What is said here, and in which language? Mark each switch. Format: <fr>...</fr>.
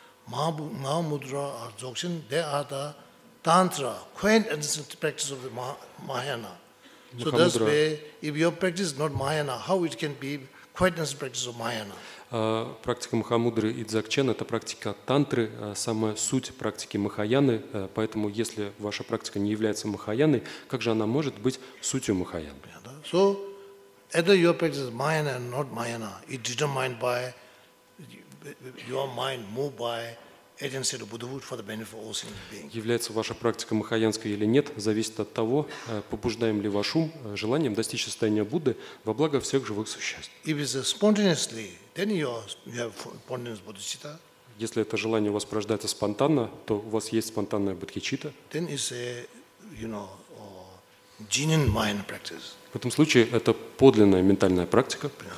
<en>Mahamudra or Dzogchen, they are the Tantra, quintessential practice of the Mahayana. So thus way, if your practice is not Mahayana, how it can be quintessential practice of Mahayana?</en> <ru>Практика Махамудры и Дзогчен – это практика тантры, самая суть практики Махаяны, поэтому если ваша практика не является Махаяной, как же она может быть сутью Махаяны?</ru> <en>So, either your practice is Mahayana or not Mahayana, it's determined by your mind moved by agency of Buddhahood for the benefit of all sentient beings.</en> <ru>Является ваша практика махаянской или нет, зависит от того, побуждаем ли ваш ум желанием достичь состояния Будды во благо всех живых существ.</ru> <en>If it's spontaneously, then you have spontaneous bodhicitta.</en> <ru>Если это желание у вас порождается спонтанно, то у вас есть спонтанная бодхичитта.</ru> <en>Then it's a, you know, genuine mind practice.</en> <ru>В этом случае это подлинная ментальная практика.</ru>